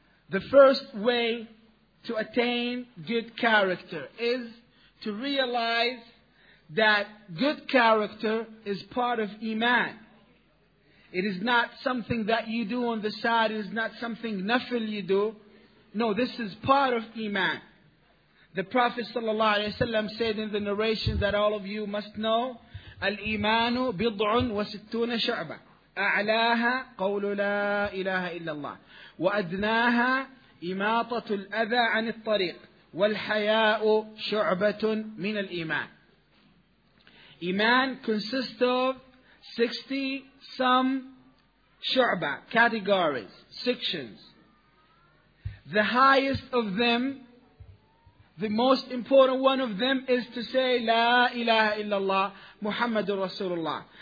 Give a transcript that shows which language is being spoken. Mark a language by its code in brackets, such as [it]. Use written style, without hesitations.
[en] The first way to attain good character is to realize that good character is part of iman. It is not something that you do on the side. It is not something nafil you do. No, this is part of iman. The Prophet ﷺ said in the narration that all of you must know, [ar] الإيمان بضع وستون شعبة أعلاها قول لا إله إلا الله وأدناها إماطة الأذى عن الطريق والحياء شعبة من الإيمان. [en] Iman consists of 60 some shu'ba, categories, sections. The highest of them, the most important one of them, is to say La ilaha illallah, Muhammadur Rasulullah.